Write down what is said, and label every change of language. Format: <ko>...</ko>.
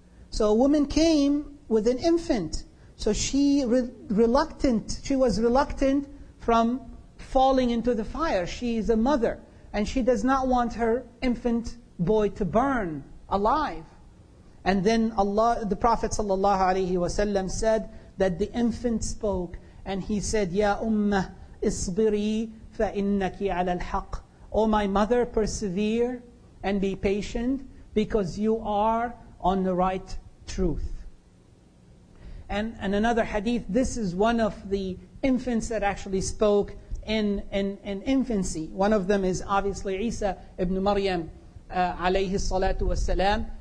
<en>So a woman came with an infant. So she was reluctant from falling into the fire. She is a mother. And she does not want her infant boy to burn alive. And then Allah, the Prophet ﷺ said that the infant spoke. And he said,</en> <ar>يَا أُمَّهْ إِصْبِرِي فَإِنَّكِ عَلَى الْحَقِّ.</ar> <en>O my mother, persevere and be patient because you are on the right truth. And another hadith, this is one of the infants that actually spoke in infancy. One of them is obviously Isa ibn Maryam alayhi salatu wasalam.</en>